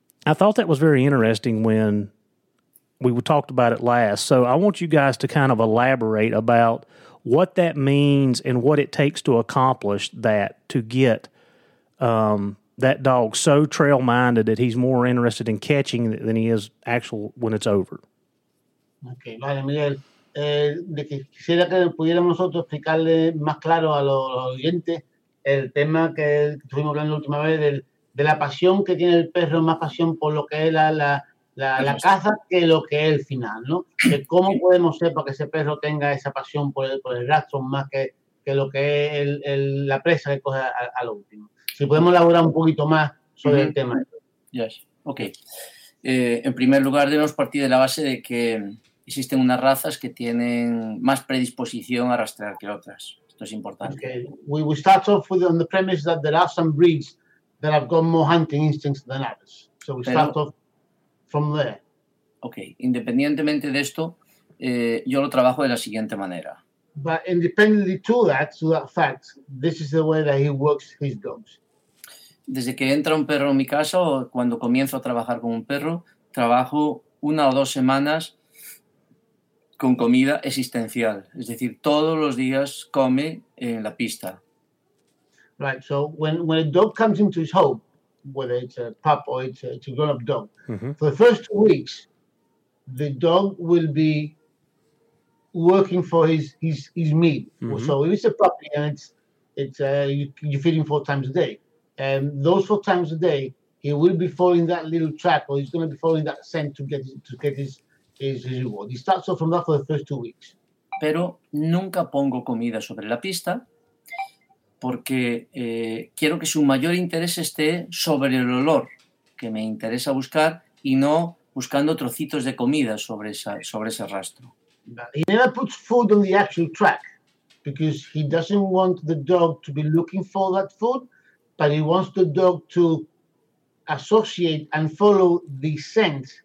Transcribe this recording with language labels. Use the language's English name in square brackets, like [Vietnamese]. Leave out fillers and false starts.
[English] I thought that was very interesting when we talked about it last. So I want you guys to kind of elaborate about what that means and what it takes to accomplish that, to get that dog so trail-minded that he's more interested in catching than he is actual when it's over. [Spanish] Okay, vale, Miguel. De que quisiera que pudiéramos nosotros explicarle más claro a los oyentes el tema que estuvimos hablando la última vez de la pasión que tiene el perro, más pasión por lo que es la caza que lo que es el final, ¿no? De cómo podemos hacer para que ese perro tenga esa pasión por el rastro más que lo que es la presa que coge a lo último. Si podemos elaborar un poquito más sobre el tema. [English] Yes. Okay. [Spanish] En primer lugar, debemos partir de la base de que existen unas razas que tienen más predisposición a rastrear que otras. Esto es importante. [English] Okay. We start off with on the premise that there are some breeds that have got more hunting instincts than others. So we start off from there. Okay. [Spanish] Independientemente de esto, yo lo trabajo de la siguiente manera. [English] But independently to that fact, this is the way that he works his dogs. [Spanish] Desde que entra un perro en mi casa o cuando comienzo a trabajar con un perro, trabajo una o dos semanas con comida existencial. Es decir, todos los días come en la pista. [English] Right, so when a dog comes into his home, whether it's a pup or it's a grown-up dog, for the first 2 weeks, the dog will be working for his meat. Mm-hmm. So if it's a puppy and you feed him four times a day, and those four times a day, he will be following that little track, or he's going to be following that scent to get his reward. He starts off from that for the first 2 weeks. [Spanish] Pero nunca pongo comida sobre la pista porque quiero que su mayor interés esté sobre el olor que me interesa buscar y no buscando trocitos de comida sobre ese rastro. [English] But he never puts food on the actual track because he doesn't want the dog to be looking for that food. But he wants the dog to associate and follow the scent.